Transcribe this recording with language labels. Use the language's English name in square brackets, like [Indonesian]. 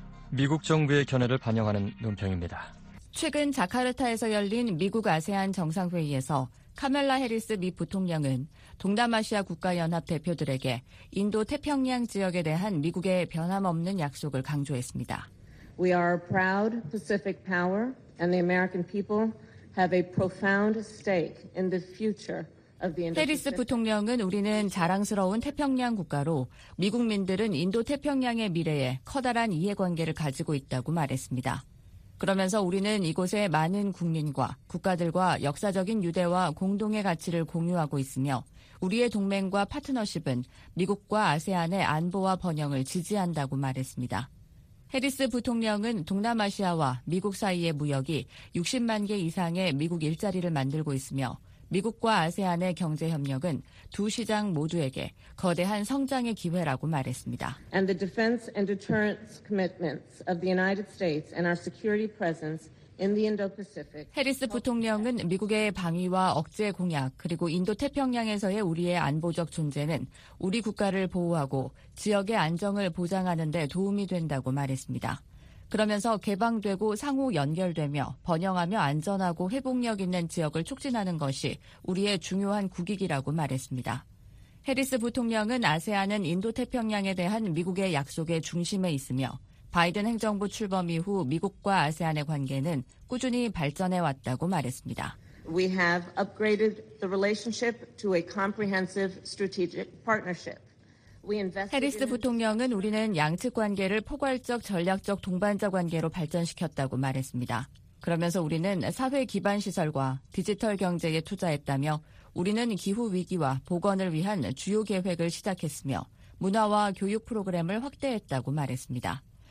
[Korean] 미국 정부의 견해를 반영하는 논평입니다. 최근 자카르타에서 열린 미국 아세안 정상회의에서 카멀라 해리스 미 부통령은 동남아시아 국가연합 대표들에게 인도 태평양 지역에 대한 미국의 변함없는 약속을 강조했습니다. [English] We are a proud Pacific power and the American people have a profound stake in the future of the Indo-Pacific. [Korean] 해리스 부통령은 우리는 자랑스러운 태평양 국가로 미국민들은 인도 태평양의 미래에 커다란 이해관계를 가지고 있다고 말했습니다. 그러면서 우리는 이곳의 많은 국민과 국가들과 역사적인 유대와 공동의 가치를 공유하고 있으며 우리의 동맹과 파트너십은 미국과 아세안의 안보와 번영을 지지한다고 말했습니다. 해리스 부통령은 동남아시아와 미국 사이의 무역이 60만 개 이상의 미국 일자리를 만들고 있으며 미국과 아세안의 경제협력은 두 시장 모두에게 거대한 성장의 기회라고 말했습니다. [English] And the defense and deterrence commitments of the United States and our security presence in the Indo-Pacific. [Korean] 해리스 부통령은 미국의 방위와 억제 공약 그리고 인도 태평양에서의 우리의 안보적 존재는 우리 국가를 보호하고 지역의 안정을 보장하는 데 도움이 된다고 말했습니다. 그러면서 개방되고 상호 연결되며 번영하며 안전하고 회복력 있는 지역을 촉진하는 것이 우리의 중요한 국익이라고 말했습니다. 해리스 부통령은 아세안은 인도태평양에 대한 미국의 약속의 중심에 있으며 바이든 행정부 출범 이후 미국과 아세안의 관계는 꾸준히 발전해 왔다고 말했습니다. [English] We have upgraded the relationship to a comprehensive strategic partnership. [Korean] 해리스 부통령은 우리는 양측 관계를 포괄적 전략적 동반자 관계로 발전시켰다고 말했습니다. 그러면서 우리는 사회 기반 시설과 디지털 경제에 투자했다며 우리는 기후 위기와 복원을 위한 주요 계획을 시작했으며 문화와 교육 프로그램을 확대했다고 말했습니다.